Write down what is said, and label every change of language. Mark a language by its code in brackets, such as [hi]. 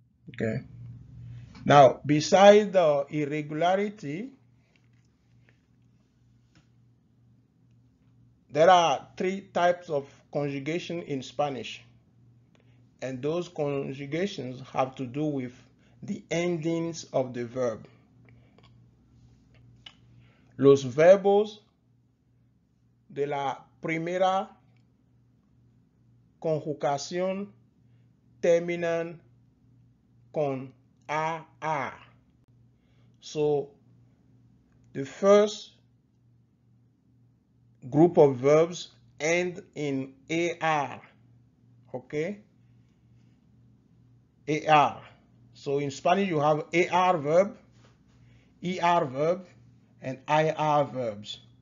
[en] Okay. Now, besides the irregularity, there are three types of conjugation in Spanish. And those conjugations have to do with the endings of the verb. [es] Los verbos de la primera conjugación terminan con a. [en] So the first group of verbs end in ar. Okay? AR. So in Spanish you have AR verb, ER verb, and IR verbs.